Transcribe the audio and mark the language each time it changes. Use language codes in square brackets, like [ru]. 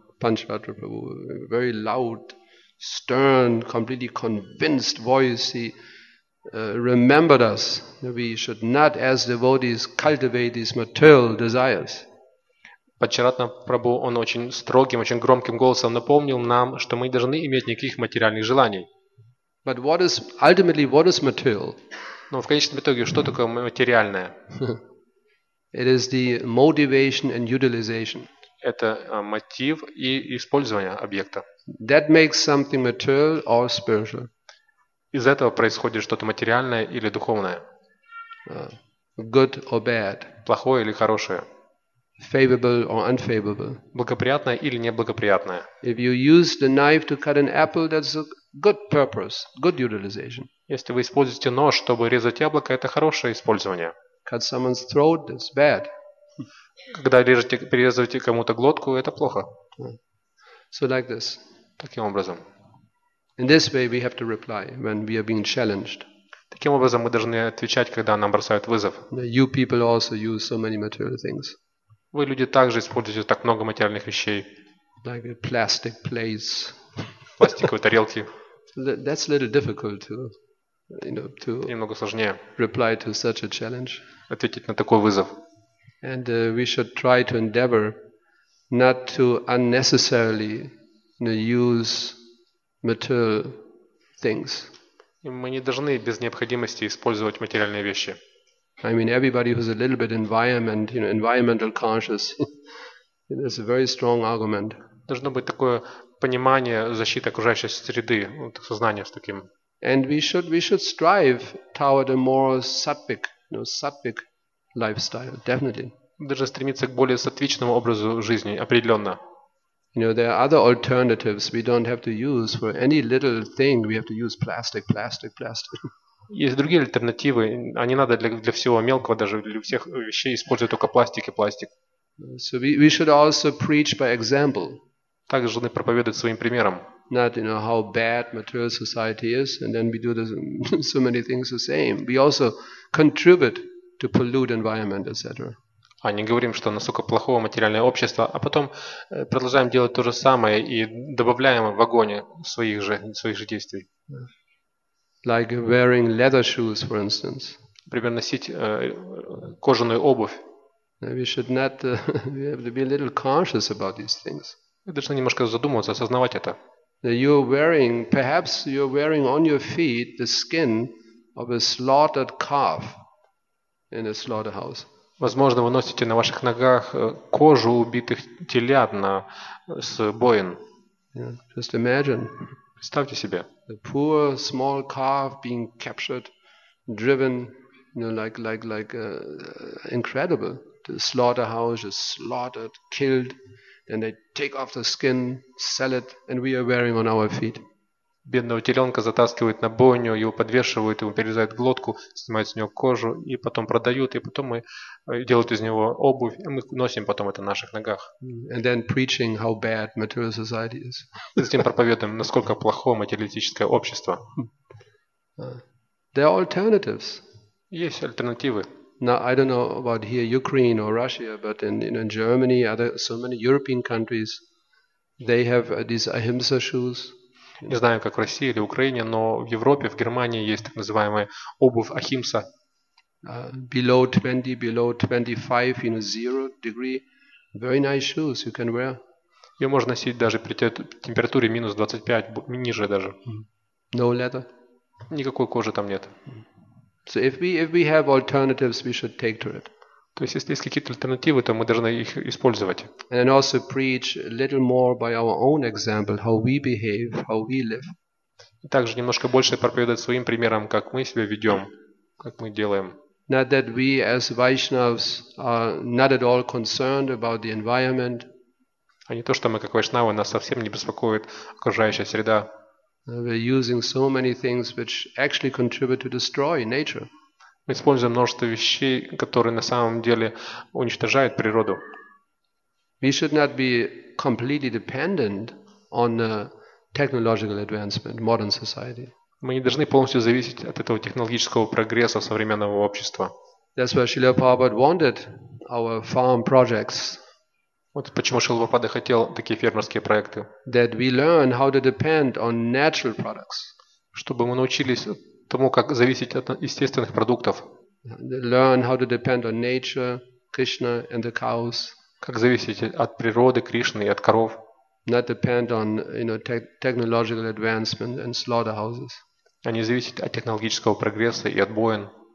[en] Панчватра Прабху, very loud, stern, completely convinced voice, he remembered us that we should not, as devotees, cultivate these material desires. [ru] Панчватра Прабху, он очень строгим, очень громким голосом напомнил нам, что мы не должны иметь никаких материальных желаний. [en] But what is, ultimately, what is material? [ru] Но в конечном итоге, что такое материальное? [en] It is the motivation and utilization. [ru] Это мотив и использование объекта. [en] That makes something material or spiritual. [ru] Из этого происходит что-то материальное или духовное. [en] Good or bad. [ru] Плохое или хорошее. [en] Favorable or unfavorable. [ru] Благоприятное или неблагоприятное. [en] If you use the knife to cut an apple, that's a good purpose, good utilization. [ru] Если вы используете нож, чтобы резать яблоко, это хорошее использование. [en] Cut someone's throat, that's bad. [ru] Когда режете, перерезаете кому-то глотку, это плохо. [en] So like this. [ru] Таким образом. [en] In this way we have to reply when we are being challenged. [ru] Таким образом мы должны отвечать, когда нам бросают вызов. [en] You people also use so many material things. [ru] Вы люди также используете так много материальных вещей. [en] Like plastic plates, [ru] пластиковой тарелки. [en] That's a little difficult to, you know, to [ru] немного сложнее [en] reply to such a challenge. [ru] Ответить на такой вызов. [en] And we should try to endeavor not to unnecessarily, you know, use material things. [ru] И мы не должны без необходимости использовать материальные вещи. [en] I mean, everybody who's a little bit environment, you know, environmental conscious, it's a very strong argument. [ru] Должно быть такое понимание защиты окружающей среды, вот, сознание с таким. [en] And we should strive toward a more sattvic, you know, sattvic lifestyle, definitely. [ru] Даже стремиться к более сатвичному образу жизни, определенно. [en] You know, there are other alternatives we don't have to use for any little thing. We have to use plastic. [ru] Есть другие альтернативы, а не надо для всего мелкого, даже для всех вещей использовать только пластик. [en] So we should also preach by example. [ru] Также должны проповедовать своим примером. [en] Not, you know, how bad material society is, and then we do this, so many things the same. We also contribute to pollute environment, etc. [ru] А не говорим, что насколько плохое материальное общество, а потом продолжаем делать то же самое и добавляем в огонь своих же действий. [en] Like wearing leather shoes, for instance. [ru] Например, носить кожаную обувь. [en] We should not, we have to be a little conscious about these things. [ru] Мы должны немножко задумываться, осознавать это. [en] You're wearing, perhaps you're wearing on your feet the skin of a slaughtered calf in a slaughterhouse. [ru] Возможно, вы носите на ваших ногах кожу убитых телят с боен. [en] Yeah, just imagine. [ru] Представьте себе. [en] A poor small calf being captured, driven, you know, like incredible. The slaughterhouse is slaughtered, killed, and they take off the skin, sell it, and we are wearing on our feet. [ru] Бедного теленка затаскивают на бойню, его подвешивают, ему перерезают глотку, снимают с него кожу и потом продают, и потом мы делают из него обувь, и мы носим потом это на наших ногах. [en] And then preaching how bad material society is. [ru] И затем проповедуем, насколько плохо материалистическое общество. [en] There are alternatives. [ru] Есть альтернативы. [en] Now, I don't know about here Ukraine or Russia, but in Germany, other so many European countries, they have these ahimsa shoes. [ru] Не знаю, как в России или Украине, но в Европе, в Германии есть так называемая обувь ахимса. [en] Below 25, you know, 0 degree, very nice shoes you can wear. [ru] Ее можно носить даже при температуре -25, ниже даже. [en] No leather. [ru] Никакой кожи там нет. [en] So if we have alternatives, we should take to it. [ru] То есть если есть какие-то альтернативы, то мы должны их использовать. [en] And then also preach a little more by our own example, how we behave, how we live. [ru] И также немножко больше проповедовать своим примером, как мы себя ведем, как мы делаем. [en] Not that we as Vaishnavas are not at all concerned about the environment. [ru] А не то, что мы как вайшнавы, нас совсем не беспокоит окружающая среда. [en] We're using so many things which actually contribute to destroy nature. [ru] Мы используем множество вещей, которые на самом деле уничтожают природу. [en] We should not be completely dependent on technological advancement, modern society. [ru] Мы не должны полностью зависеть от этого технологического прогресса современного общества. [en] That's why Srila Prabhupada wanted our farm projects. [ru] Вот почему Шрила Прабхупада хотел такие фермерские проекты. [en] That we learn how to depend on natural products. [ru] Чтобы мы научились тому, как зависеть от естественных продуктов. [en] Learn how to depend on nature, Krishna and the cows. [ru] Как зависеть от природы, Кришны и от коров. [en] Not depend on, you know, technological advancement and slaughterhouses. [ru] А не зависеть от технологического прогресса и от боен.